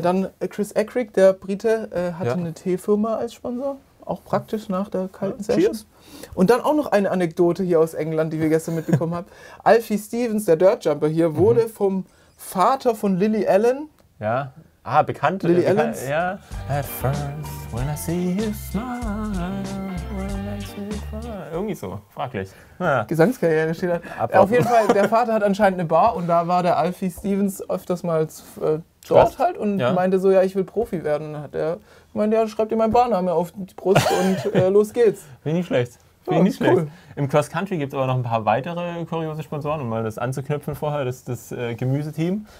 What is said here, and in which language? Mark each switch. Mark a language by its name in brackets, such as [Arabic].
[German] Dann Chris Eckrick, der Brite, hatte eine Teefirma als Sponsor. Auch praktisch nach der kalten Session. [English] Cheers. [German] Und dann auch noch eine Anekdote hier aus England, die wir gestern mitbekommen haben. Alfie Stevens, der Dirtjumper hier, wurde vom Vater von Lily Allen. Ja. Ah, bekannt. Lily Allens. Ja. [English] At first, when I see you smile, when I see you cry. [German] Irgendwie so, fraglich. Ja. Gesangskarriere steht da. Auf jeden Fall, der Vater hat anscheinend eine Bar und da war der Alfie Stevens öfters mal dort halt und meinte so, ja, ich will Profi werden. Und hat er meinte, ja, schreib dir meinen Barname auf die Brust und los geht's. Finde ich schlecht. Finde ich nicht schlecht. Cool. Im Cross Country gibt es aber noch ein paar weitere kuriose Sponsoren, um mal das anzuknüpfen vorher, das Gemüseteam.